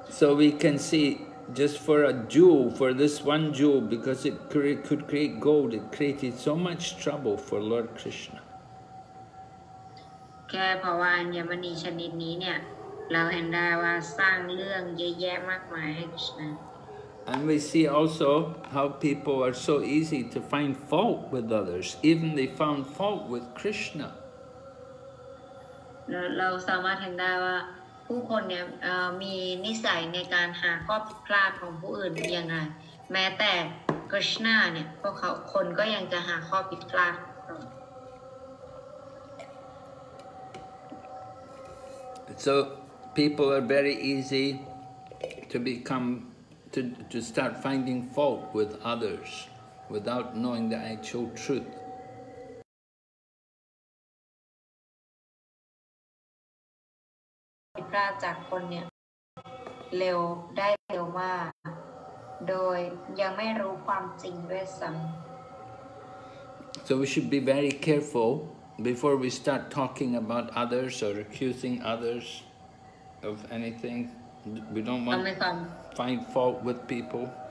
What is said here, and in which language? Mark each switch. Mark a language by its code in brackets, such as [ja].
[en] So we can see just for a jewel, for this one jewel, because it could create gold, it created so much trouble for Lord Krishna. [th] แค่เพราะว่าอัญมณีชนิดนี้เนี่ยเราเห็นได้ว่าสร้างเรื่องเยอะแยะมากมายให้กับฉัน [en] And we see also how people are so easy to find fault with others even they found fault with Krishna [th] เราสามารถเห็นได้ว่าผู้คนเนี่ยมีนิสัยในการหาข้อผิดพลาดของผู้อื่นยังไงแม้แต่กฤษณาเนี่ยพวกเขาคนก็ยังจะหาข้อผิดพลาด [en] So people are very easy to become, to start finding fault with others without knowing the actual truth. [th] ผิดพลาดจากคนเนี่ยเร็วได้เร็วมากโดยยังไม่รู้ความจริงด้วยซ้ำ [en] So we should be very careful before we start talking about others or accusing others. Of anything, we don't want to find fault with people.